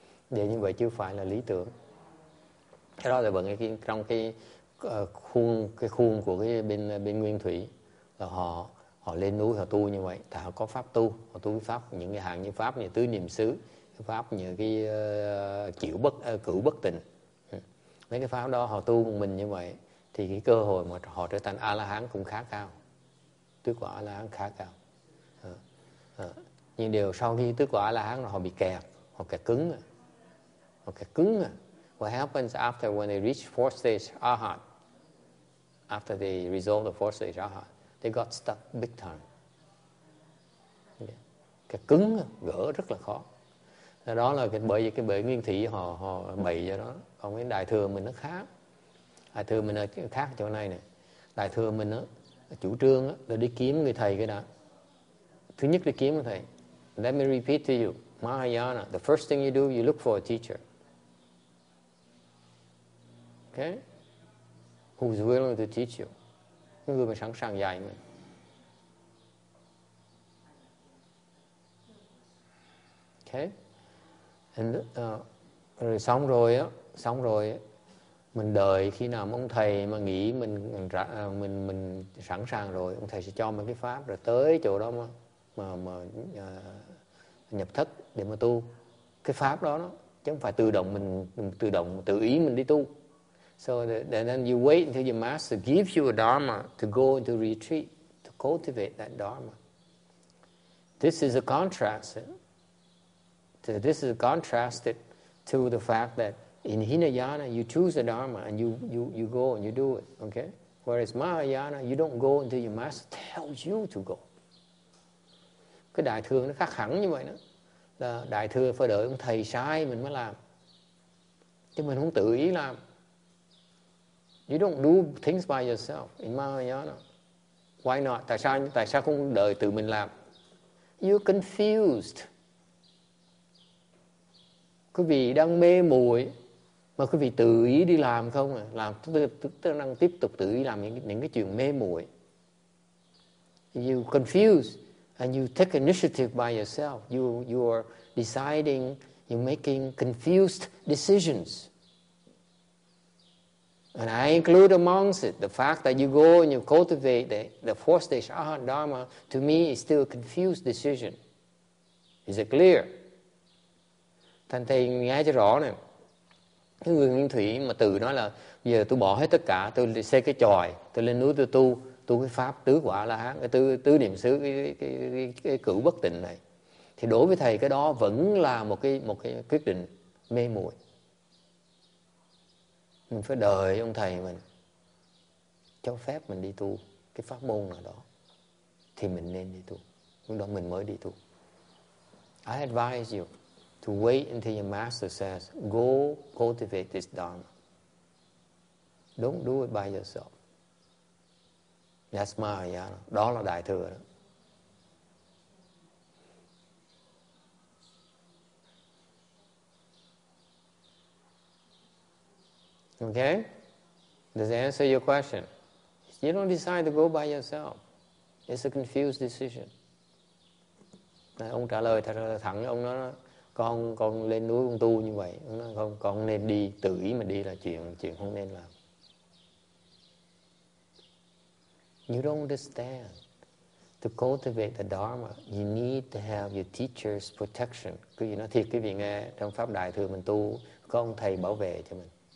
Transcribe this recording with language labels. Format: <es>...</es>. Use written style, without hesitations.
<vi>Vậy như vậy chưa phải là lý tưởng. Cái đó là bằng cái trong cái khuôn của cái bên bên nguyên thủy là họ họ lên núi họ tu như vậy, thì họ có pháp tu, họ tu pháp những cái hạng như pháp như tứ niệm xứ, pháp như cái cửu bất tịnh, mấy cái pháp đó họ tu một mình như vậy thì cái cơ hội mà họ trở thành A-la-hán cũng khá cao, tức quả A-la-hán khá cao. Nhưng điều sau khi tức quả A-la-hán là họ bị kẹt, họ kẹt cứng, họ kẹt cứng.</vi> <en>What happens after when they reach fourth stage arahant, after they resolve the fourth stage arahant, they got stuck big time.</en> <vi>Yeah. Cái cứng gỡ rất là khó. Đó là cái bởi vì cái bể nguyên thủy họ họ bày cho đó. Còn cái đại thừa mình nó khác. Đại thừa mình nó khác chỗ này này. Đại thừa mình nó chủ trương là đi kiếm người thầy cái đó. Thứ nhất đi kiếm người thầy.</vi> <en>Let me repeat to you, Mahayana, the first thing you do, you look for a teacher. Okay, who's willing to teach you?</en> <vi>Những người mà sẵn sàng dạy mình. Okay, and rồi xong rồi á, xong rồi mình đợi khi nào ông thầy mà nghĩ mình sẵn sàng rồi, ông thầy sẽ cho mình cái pháp rồi tới chỗ đó mà nhập thất để mà tu cái pháp đó, đó. Chứ không phải tự động tự ý mình đi tu.</vi> <en>So then you wait until your master gives you a dharma to go into retreat, to cultivate that dharma. This is a contrast. This is contrasted to the fact that in Hinayana, you choose a dharma and you go and you do it, okay? Whereas Mahayana, you don't go until your master tells you to go.</en> <vi>Cái đại thừa nó khác hẳn như vậy đó. Là đại thừa phải đợi ông thầy sai mình mới làm. Chứ mình không tự ý làm.</vi> <en>You don't do things by yourself in Mahayana. Why not?</en> <vi>Tại sao không đợi tự mình làm?</vi> <en>You're confused.</en> <vi>Quý vị đang mê muội mà quý vị tự ý đi làm không à? Làm tức là đang tiếp tục tự ý làm những cái chuyện mê muội.</vi> <en>You confused and you take initiative by yourself. You are deciding, you're making confused decisions. And I include amongst it the fact that you go and you cultivate the fourth stage Arhat Dharma, to me is still a confused decision. Is it clear?</en> <vi>Thành thầy nghe cho rõ nè. Cái người Nguyên Thủy mà tự nói là giờ tôi bỏ hết tất cả, tôi xây cái chòi, tôi lên núi tôi tu, tu cái pháp tứ quả la hán, cái tứ niệm xứ, cái cửu bất tịnh này, thì đối với thầy cái đó vẫn là một cái quyết định mê muội. Mình phải đợi ông thầy mình cho phép mình đi tu cái pháp môn nào đó thì mình nên đi tu, lúc đó mình mới đi tu.</vi> <en>I advise you to wait until your master says go cultivate this dharma. Don't do it by yourself. That's Mahayana.</en> <vi>Đó là đại thừa đó.</vi> <en>Okay? Does that answer your question? You don't decide to go by yourself. It's a confused decision.</en> <vi>Này, ông trả lời thẳng với ông đó, con lên núi con tu như vậy, con nên đi, tự ý mà đi là chuyện không nên làm.</vi> <en>You don't understand. To cultivate the Dharma, you need to have your teacher's protection.</en> <vi>Quý vị nói thiệt, quý vị nghe, trong Pháp Đại Thừa mình tu, có ông thầy bảo vệ cho mình.</vi>